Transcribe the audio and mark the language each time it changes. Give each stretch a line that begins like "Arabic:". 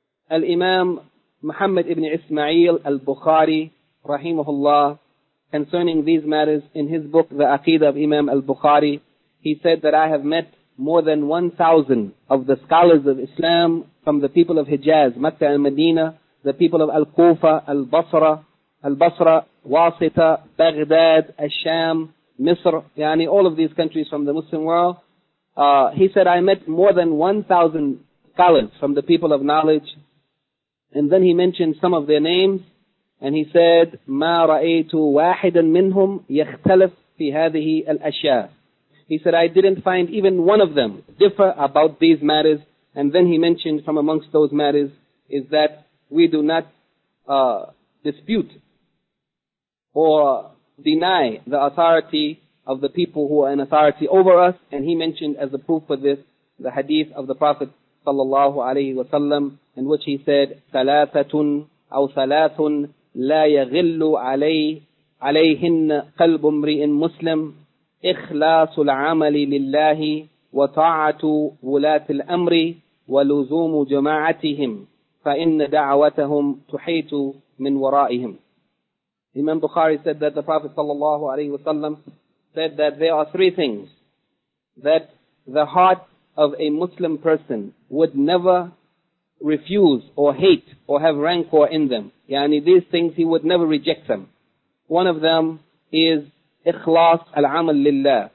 English: Al-Imam Muhammad ibn Ismail al-Bukhari, rahimahullah, concerning these matters in his book, The Aqeedah of Imam al-Bukhari, he said that I have met more than 1,000 of the scholars of Islam from the people of Hijaz, Mecca and Medina, the people of Al-Kufa, Al-Basra, Wasita, Baghdad, Asham, Misr, yani all of these countries from the Muslim world. He said, I met more than 1,000 scholars from the people of knowledge. And then he mentioned some of their names. And he said,
Arabic: مَا رَأَيْتُ وَاحِدًا مِّنْهُمْ يَخْتَلَفْ فِي هَذِهِ الْأَشْيَاءِ.
English: He said, I didn't find even one of them differ about these matters. And then he mentioned from amongst those matters is that we do not dispute or deny the authority of the people who are in authority over us. And he mentioned as a proof for this the hadith of the Prophet sallallahu alaihi wasallam, in which he said,
Arabic: ثَلَاثَةٌ أَوْ ثَلَاثٌ لَا يَغِلُّ عَلَيْهِنَّ قَلْبُ امْرِئٍ مُسْلِمٍ إِخْلَاصُ الْعَمَلِ لِلَّهِ وَطَاعَةُ وُلَاةِ الْأَمْرِ وَلُزُومُ جَمَاعَتِهِمْ. فإن دعوتهم تحيط من ورائهم.
English: Imam Bukhari said that the Prophet sallallahu alayhi wa sallam said that there are three things that the heart of a Muslim person would never refuse or hate or have rancor in them. Yani these things he would never reject them. One of them is ikhlas al-amal lillah.